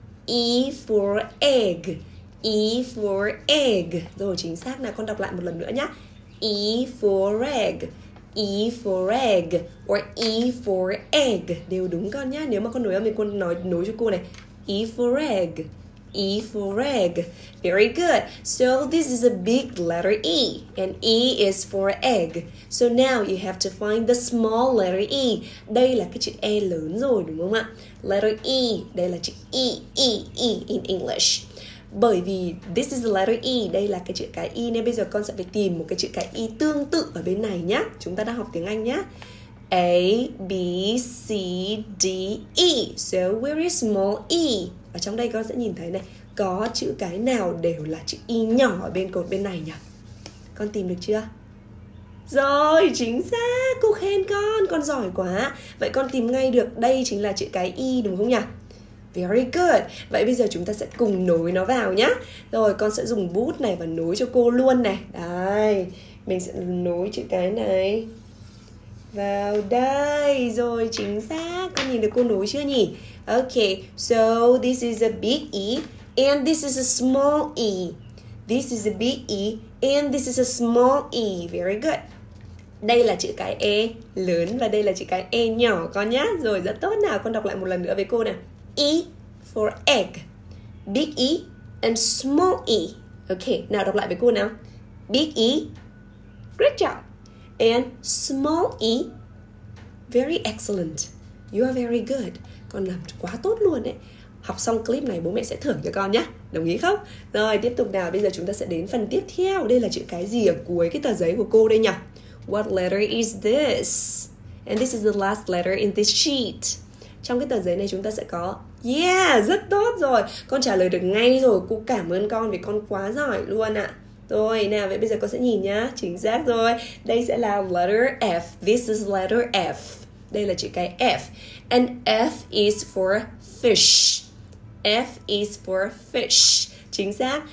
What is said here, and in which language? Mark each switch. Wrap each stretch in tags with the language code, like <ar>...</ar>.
<en>E for egg. E for egg.</en> <vi>Rồi, chính xác. Nào, con đọc lại một lần nữa nhé.</vi> <en>E for egg. E for egg or E for egg</en> <vi>đều đúng con nhá. Nếu mà con nối âm thì con nói nối cho cô này.</vi> <en>E for egg. E for egg. Very good. So this is a big letter E and E is for egg. So now you have to find the small letter E.</en> <vi>Đây là cái chữ E lớn rồi đúng không ạ?</vi> <en>Letter E,</en> <vi>đây là chữ E E E</vi> <en>in English.</en> <vi>Bởi vì</vi> <en>this is the letter E,</en> <vi>đây là cái chữ cái E, nên bây giờ con sẽ phải tìm một cái chữ cái E tương tự ở bên này nhá. Chúng ta đang học tiếng Anh nhá. A, B, C, D, E.</vi> <en>So where is small E?</en> <vi>Ở trong đây con sẽ nhìn thấy này, có chữ cái nào đều là chữ E nhỏ ở bên cột bên này nhỉ? Con tìm được chưa? Rồi, chính xác, cô khen con giỏi quá. Vậy con tìm ngay được, đây chính là chữ cái E đúng không nhỉ? Very good. Vậy bây giờ chúng ta sẽ cùng nối nó vào nhá. Rồi con sẽ dùng bút này và nối cho cô luôn này. Đây, mình sẽ nối chữ cái này vào đây. Rồi chính xác. Con nhìn được cô nối chưa nhỉ?</vi> <en>Okay, so this is a big E and this is a small E. This is a big E and this is a small E. Very good.</en> <vi>Đây là chữ cái E lớn và đây là chữ cái E nhỏ con nhá. Rồi rất tốt nào. Con đọc lại một lần nữa với cô nè.</vi> <en>E for egg. Big E and small E.</en> <vi>Okay, nào đọc lại với cô nào.</vi> <en>Big E. Great job. And small E. Very excellent. You are very good.</en> <vi>Con làm quá tốt luôn ấy. Học xong clip này bố mẹ sẽ thưởng cho con nhá. Đồng ý không? Rồi tiếp tục nào. Bây giờ chúng ta sẽ đến phần tiếp theo. Đây là chữ cái gì ở cuối cái tờ giấy của cô đây nhỉ?</vi> <en>What letter is this? And this is the last letter in this sheet.</en> <vi>Trong cái tờ giấy này chúng ta sẽ có. Yeah, rất tốt rồi. Con trả lời được ngay rồi. Cô cảm ơn con vì con quá giỏi luôn ạ. Rồi, nào, vậy bây giờ con sẽ nhìn nhá. Chính xác rồi. Đây sẽ là letter F.</vi> <en>This is letter F.</en> <vi>Đây là chữ cái F.</vi> <en>And F is for fish. F is for fish.</en> <vi>Chính xác.</vi>